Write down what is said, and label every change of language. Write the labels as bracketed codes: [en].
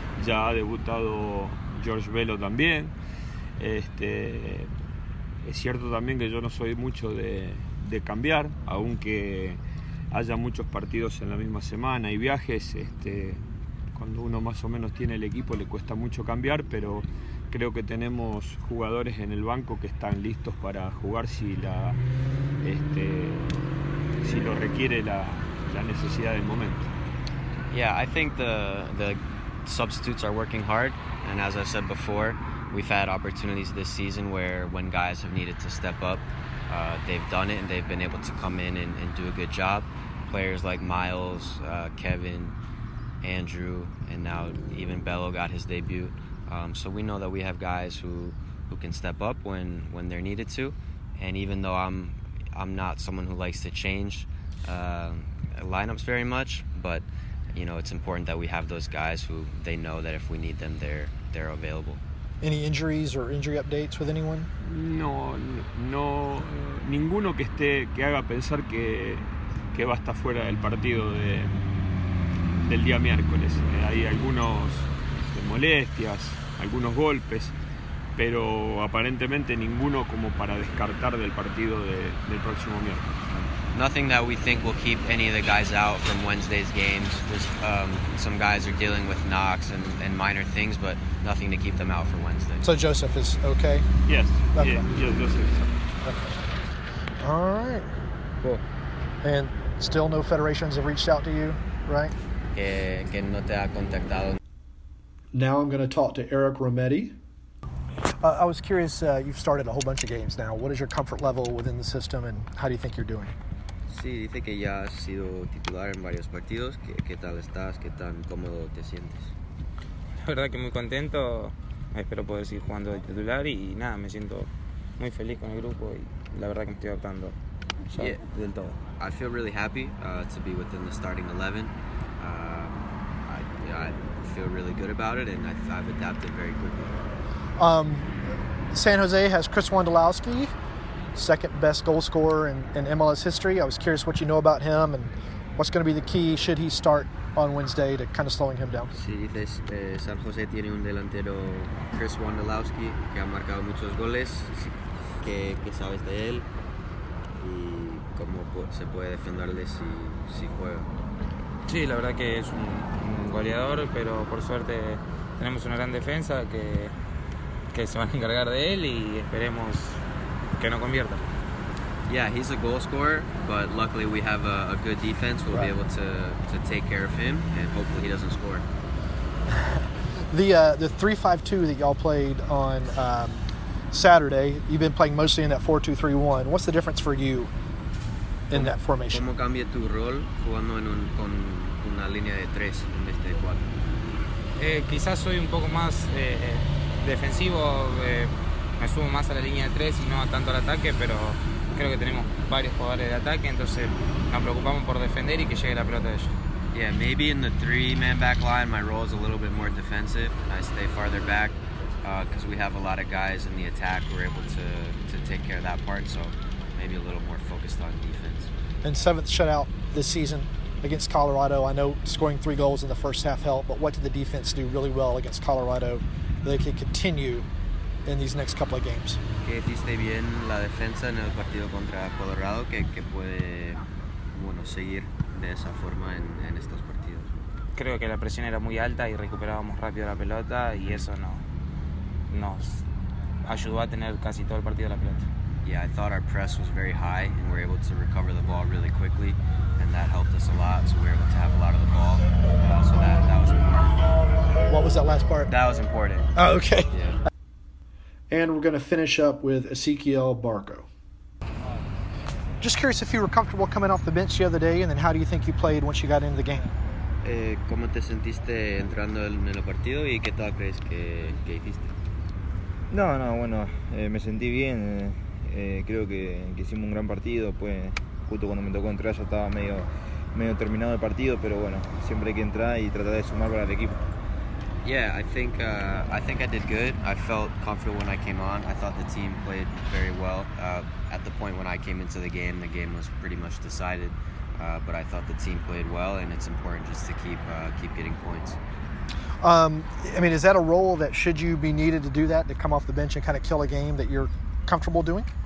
[es] Ya ha debutado George Velo también. Es cierto también que yo no soy mucho de cambiar, aunque haya muchos partidos en la misma semana y viajes. Cuando uno más o menos tiene el equipo le cuesta mucho cambiar, pero creo que tenemos jugadores en el banco que están listos para jugar si lo requiere la necesidad del momento. [en] Yeah, I think the substitutes are working hard, and as I said before, we've had opportunities this season where when guys have needed to step up, they've done it and they've been able to come in and do a good job. Players like Miles, Kevin, Andrew, and now even Bello got his debut. So we know that we have guys who can step up when they're needed to. And even though I'm not someone who likes to change lineups very much, but it's important that we have those guys who they know that if we need them, they're available. Any injuries or injury updates with anyone? [es] No, ninguno que haga pensar que va a estar fuera del partido del día miércoles. Hay algunos molestias, algunos golpes, pero aparentemente ninguno como para descartar del partido del próximo miércoles. [en] Nothing that we think will keep any of the guys out from Wednesday's games. Just some guys are dealing with knocks and minor things, but nothing to keep them out for Wednesday. So Joseph is okay? Yes. Okay. Yeah, Joseph is okay. All right. Cool. And still no federations have reached out to you, right? [es] Que no te ha contactado. [en] Now I'm going to talk to Eric Rometty. I was curious, you've started a whole bunch of games now. What is your comfort level within the system, and how do you think you're doing? [es] Sí, dice que ya has sido titular en varios partidos. ¿Qué tal estás? ¿Qué tan cómodo te sientes? La verdad que muy contento. Espero poder seguir jugando de titular y nada, me siento muy feliz con el grupo y la verdad que me estoy adaptando. [en] Yeah, [es] del todo. [en] I feel really happy to be within the starting 11. I feel really good about it, and I've adapted very quickly. San Jose has Chris Wondolowski, second best goal scorer in MLS history. I was curious what you know about him and what's going to be the key, should he start on Wednesday, to kind of slowing him down. [es] Sí, San Jose tiene un delantero, Chris Wondolowski, que ha marcado muchos goles. ¿Qué sabes de él? Y cómo se puede defenderle si juega. Sí, la verdad que es un goleador, pero por suerte tenemos una gran defensa que se van a encargar de él y esperemos que no convierta. [en] Yeah, he's a goal scorer, but luckily we have a good defense. We'll be able to take care of him, and hopefully he doesn't score. The 3-5-2 that y'all played on Saturday, you've been playing mostly in that 4-2-3-1. What's the difference for you in that formation? [es] ¿Cómo cambia tu rol jugando con una línea de tres en vez de cuatro? Quizás soy un poco más defensivo, me sumo más a la línea de tres y no tanto al ataque, pero creo que tenemos varios jugadores de ataque, entonces nos preocupamos por defender y que llegue la pelota a ellos. [en] Yeah, maybe in the three-man back line, my role is a little bit more defensive. I stay farther back because we have a lot of guys in the attack. We're able to take care of that part, so maybe a little more focused on defense. And seventh shutout this season against Colorado. I know scoring three goals in the first half helped, but what did the defense do really well against Colorado that they could continue in these next couple of games? [es] Que hiciste bien la defensa en el partido contra Colorado, que puede seguir de esa forma en estos partidos. Creo que la presión era muy alta y recuperábamos rápido la pelota y eso nos ayudó a tener casi todo el partido la pelota. [en] Yeah, I thought our press was very high and we were able to recover the ball really quickly, and that helped us a lot, so we were able to have a lot of the ball. So that was important. What was that last part? That was important. Oh, okay. Yeah. And we're going to finish up with Ezequiel Barco. Just curious if you were comfortable coming off the bench the other day, and then how do you think you played once you got into the game? [es] ¿Cómo te sentiste entrando en el partido y qué tal crees que hiciste? No, me sentí bien. Creo que hicimos un gran partido. Pues justo cuando me tocó entrar ya estaba medio terminado el partido, pero bueno, siempre hay que entrar y tratar de sumar para el equipo. [en] Yeah, I think I did good. I felt comfortable when I came on. I thought the team played very well. At the point when I came into the game was pretty much decided. But I thought the team played well, and it's important just to keep getting points. Is that a role that should you be needed to do that, to come off the bench and kind of kill a game that you're comfortable doing?